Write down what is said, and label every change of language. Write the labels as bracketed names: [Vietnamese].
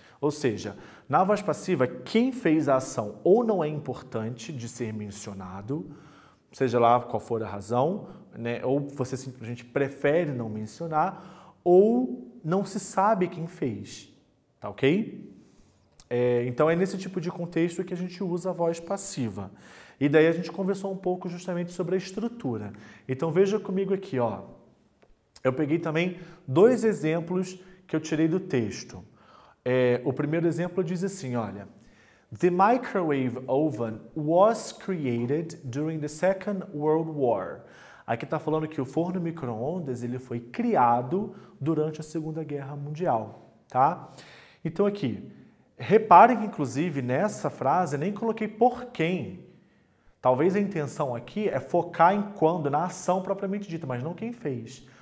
[Portuguese] Ou seja, na voz passiva, quem fez a ação ou não é importante de ser mencionado, seja lá qual for a razão, né, ou você simplesmente prefere não mencionar, ou não se sabe quem fez, tá ok? Então, é nesse tipo de contexto que a gente usa a voz passiva. E daí a gente conversou um pouco justamente sobre a estrutura. Então, veja comigo aqui, ó. Eu peguei também dois exemplos que eu tirei do texto. [English] O primeiro exemplo diz assim, olha, the microwave oven was created during the Second World War. [Portuguese] Aqui está falando que o forno micro-ondas ele foi criado durante a Segunda Guerra Mundial, tá? Então aqui, reparem que inclusive nessa frase nem coloquei por quem. Talvez a intenção aqui é focar em quando, na ação propriamente dita, mas não quem fez.